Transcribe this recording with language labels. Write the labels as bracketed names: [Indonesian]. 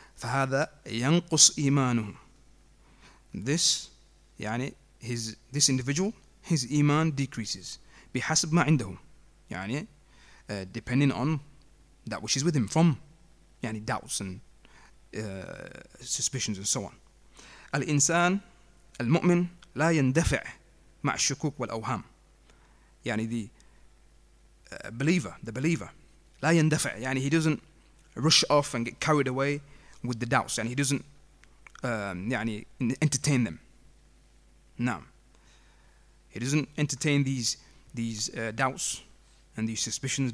[Arabic] فَهَذَا يَنْقُصْ إِيمَانُهُ. [English] This, [Arabic] يعني, [English] this individual, his iman decreases. [Arabic] بِحَسْبْ مَا عِنْدَهُ. [English] يعني, depending on that which is with him, from يعني, doubts and suspicions and so on. [Arabic] الإنسان المؤمن لا يندفع مع الشكوك والأوهام. يعني, [English] the believer, [Arabic] لا يندفع. [English] يعني, he doesn't rush off and get carried away with the doubts, and he doesn't entertain them. No. He doesn't entertain these doubts and these suspicions.